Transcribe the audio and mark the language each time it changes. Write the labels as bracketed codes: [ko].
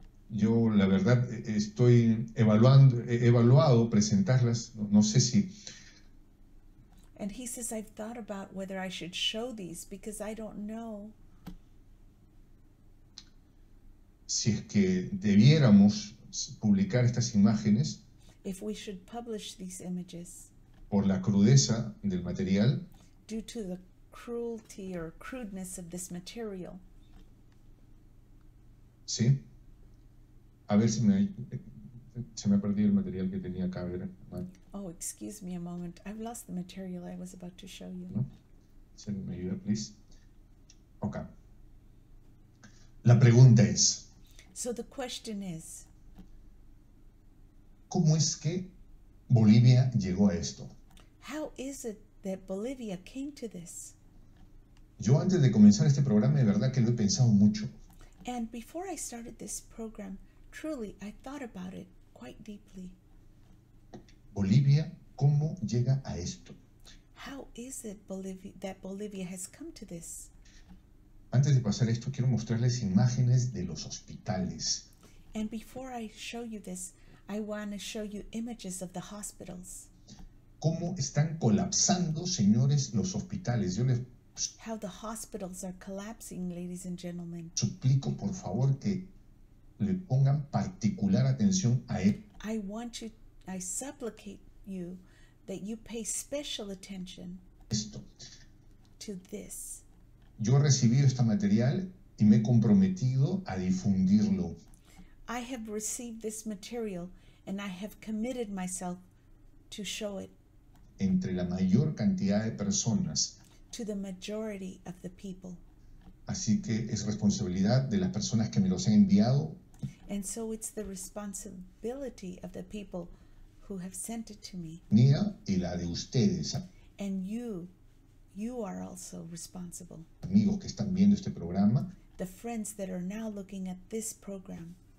[es] Yo la verdad estoy evaluando, he evaluado presentarlas, no sé si. [en] And he says I've thought about whether I should show these because I don't know. [es] Si es que debiéramos publicar estas imágenes. [en] If we should publish these images. [es] Por la crudeza del material. [en] Due to the cruelty or crudeness of this material. [es] Sí. A ver si se me ha perdido el material que tenía acá. Ver, [en] oh, excuse me a moment. I've lost the material I was about to show you. [es] ¿No? ¿Se me ayuda, please? Ok. La pregunta es. [en] So the question is. [es] ¿Cómo es que Bolivia llegó a esto? [en] How is it that Bolivia came to this? [es] Yo antes de comenzar este programa, de verdad que lo he pensado mucho. [en] And before I started this program, truly, I thought about it quite deeply. [es] Bolivia, ¿cómo llega a esto? [en] How is it that Bolivia has come to this? [es] Antes de pasar esto, quiero mostrarles imágenes de los hospitales. [en] And before I show you this, I want to show you images of the hospitals. [es] ¿Cómo están colapsando, señores, los hospitales? Yo les [en] How the hospitals are collapsing, ladies and gentlemen. [es] Suplico, por favor, que le pongan particular atención a él. [en] I supplicate you that you pay special attention [es] esto. [en] To this. [es] Yo he recibido este material y me he comprometido a difundirlo. [en] I have received this material and I have committed myself to show it. [es] Entre la mayor cantidad de personas. [en] To the majority of the people. [es] Así que es responsabilidad de las personas que me los han enviado [en] And so it's the responsibility of the people who have sent it to me. [es] Mía y la de ustedes. [en] And you are also responsible. [es] Amigos que están viendo este programa. [en] The friends that are now looking at this program.